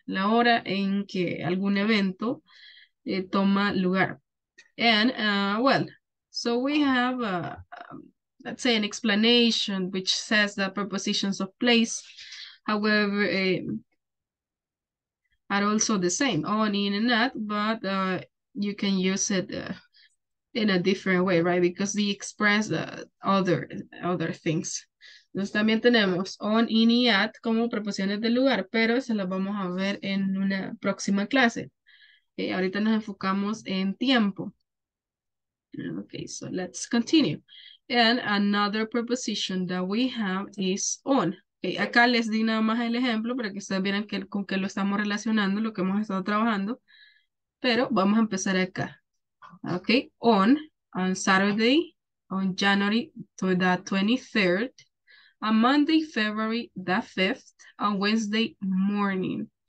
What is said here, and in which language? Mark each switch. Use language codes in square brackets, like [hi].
[es] La hora en que algún evento toma lugar. [en] And, well, so we have a let's say an explanation which says that prepositions of place, however, are also the same, on, in, and at, but you can use it in a different way, right? Because they express other things. [es] Entonces también tenemos on, in, y at como preposiciones de lugar, pero se las vamos a ver en una próxima clase. Ahorita nos enfocamos en tiempo. [en] Okay, so let's continue. And another preposition that we have is on. [es] Okay, acá les di nada más el ejemplo para que ustedes vieran con qué lo estamos relacionando, lo que hemos estado trabajando. Pero vamos a empezar acá. [en] Okay, on Saturday, on January to the 23rd, on Monday, February the 5th, on Wednesday morning.